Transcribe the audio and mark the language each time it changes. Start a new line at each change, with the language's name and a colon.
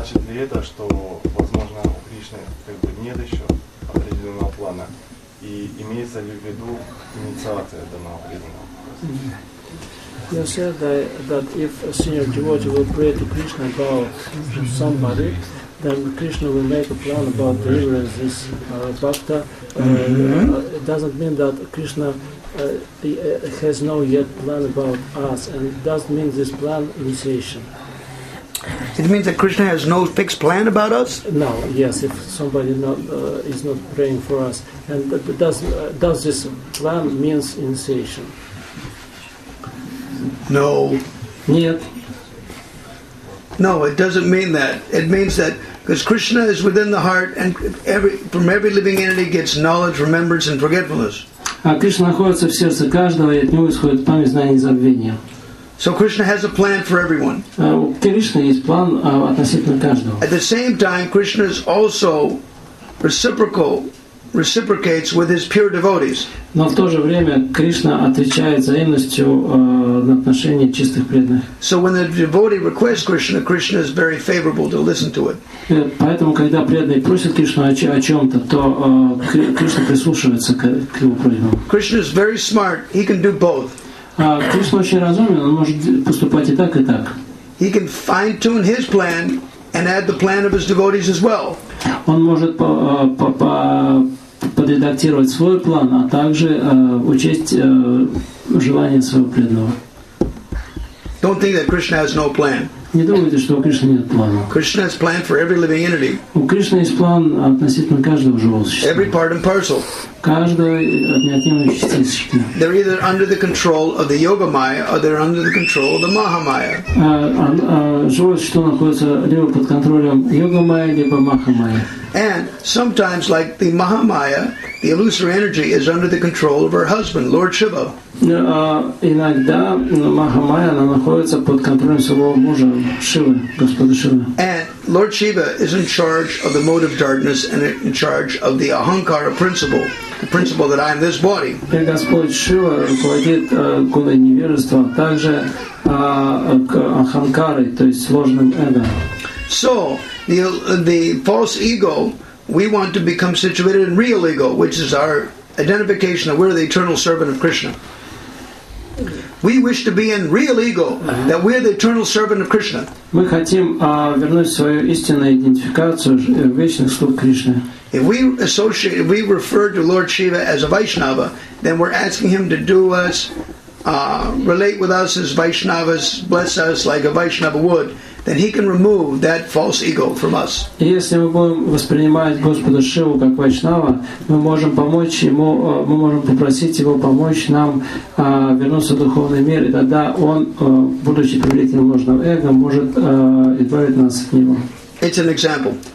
Russian: ли это, что, возможно, у Кришны как бы нет еще определенного плана? И имеется ли в виду инициация данного преданного?
English: You said that if a senior devotee will pray to Krishna about somebody, then Krishna will make a plan about delivering this bhakta. It doesn't mean that Krishna has no yet plan about us, and it doesn't mean this plan initiation. It means that Krishna has no fixed plan about us? No, yes, if somebody is not praying for us. And does this plan mean initiation? No.
Russian: Нет.
English: No, it doesn't mean that. It means that because Krishna is within the heart, and from every living entity gets knowledge, remembrance, and forgetfulness.
Russian: А Кришна находится в сердце каждого, и от него исходит память, знание, и забвение.
English: So Krishna has a plan for everyone.
Russian: Кришна есть план относительно каждого.
English: At the same time, Krishna is also reciprocates with his pure devotees.
Russian: Но в то же время Кришна отвечает взаимностью на отношения чистых преданных.
English: So when the devotee requests Krishna, Krishna is very favorable to listen to it.
Russian: Поэтому когда преданный просит Кришну о чем-то, то Кришна прислушивается к его просьбам.
English: Krishna is very smart. He can do both.
Russian: Кришна очень разумен. Он может поступать и так, и так.
English: He can fine-tune his plan and add the plan of his devotees as well.
Russian: Он может подредактировать свой план, а также учесть желание своего преданного.
English: Don't think that Krishna has no plan.
Russian: Не думайте, что у Кришны нет плана.
English: Krishna has plan for every living entity.
Russian: У Кришны есть план относительно каждого живого существа.
English: Every part and parcel.
Russian: Каждой неотъемлемой частицы.
English: They're either under the control of the yoga maya or they're under the control of the maha maya.
Russian: Живое существо находится либо под контролем йога майя, либо маха майя.
English: And sometimes, like the maha maya, the illusory energy is under the control of her husband, Lord Shiva.
Russian: Иногда маха майя находится под контролем своего мужа Шивы, господа Шивы.
English: And Lord Shiva is in charge of the mode of darkness and in charge of the ahankara principle. The principle that I am this body.
Russian: И Господь Шива руководит кундалини невежества, а также аханкарой, то есть сложным эго.
English: So the false ego, we want to become situated in real ego, which is our identification that we're the eternal servant of Krishna. We wish to be in real ego, that we're the eternal servant of Krishna.
Russian: Мы хотим вернуть свою истинную идентификацию вечных слуг Кришны.
English: If we associate, if we refer to Lord Shiva as a Vaishnava, then we're asking him to do us, relate with us as Vaishnavas, bless us like a Vaishnava would, then he can remove that false ego from us.
Russian: Если мы будем воспринимать Господа Шиву как Вайшнава, мы можем помочь ему, мы можем попросить его помочь нам вернуться в духовный мир, и тогда он, будучи привлечен ложным эго, может избавить нас от него.
English: It's an example.